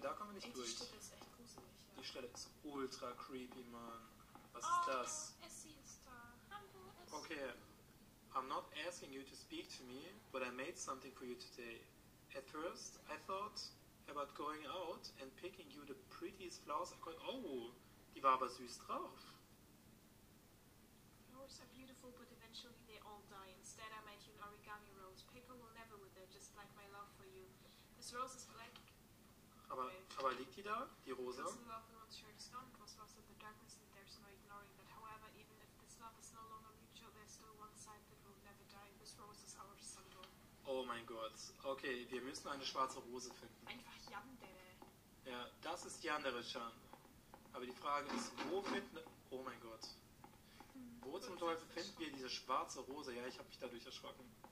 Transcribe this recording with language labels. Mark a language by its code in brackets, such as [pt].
[de] Da kommen wir nicht durch. Die Stelle ist echt gruselig. Ja. Die Stelle ist [en] ultra creepy, [de] Mann. Was ist das? Essie ist da. Hallo, Essie. Okay. [en] I'm not asking you to speak to me, but I made something for you today. At first, I thought about going out and picking you the prettiest flowers I could. [de] Oh, die war aber süß drauf. [en] Flowers are beautiful, but eventually they all die. Instead, I made you an origami rose. Paper will never wither, just like my love for you. This rose is black. [de] Aber liegt die da, die Rose? [en] Because the love in one shirt is gone, it was lost in the darkness, and there's no ignoring that. However, even if this love is no longer mutual, there's still one side that will never die. This rose is our symbol. [de] Oh mein Gott. Okay, wir müssen eine schwarze Rose finden. Einfach Yandere. Ja, das ist Yandere-chan. Aber die Frage ist, wo finden... Oh mein Gott. Wo zum Teufel finden wir diese schwarze Rose? Ja, ich habe mich dadurch erschrocken.